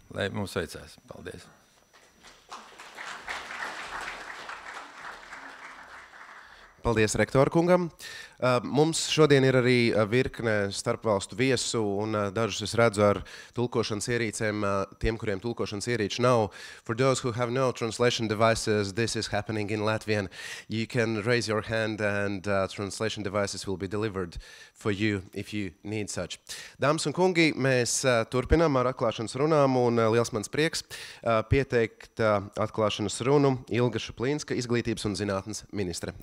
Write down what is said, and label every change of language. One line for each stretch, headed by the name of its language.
Latvian: Lai mums veicās. Paldies. Paldies rektorkungam. Mums šodien ir arī virkne starpvalstu viesu un dažus es redzu ar tulkošanas ierīcēm, tiem, kuriem tulkošanas ierīču nav.
English: For those who have no translation devices, this is happening in Latvian. You can raise your hand and translation devices will be delivered for you if you need such.
Latvian: Dāmas un kungi, mēs turpinām ar atklāšanas runām un liels mans prieks pieteikt atklāšanas runu Ilga Šaplīnska, izglītības un zinātnes ministre.